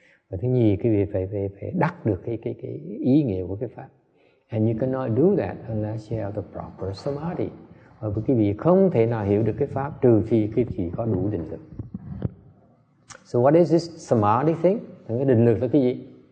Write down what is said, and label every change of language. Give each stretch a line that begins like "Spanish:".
Vietnamese: Và thứ nhì, quý vị phải đắc được cái ý nghĩa của cái pháp.
English: And you cannot do that unless you have the proper samadhi.
Vietnamese: Quý vị không thể nào hiểu được cái pháp trừ phi quý vị có đủ định lực.
English: So what is this samadhi thing?
Vietnamese: Cái định lực là cái gì?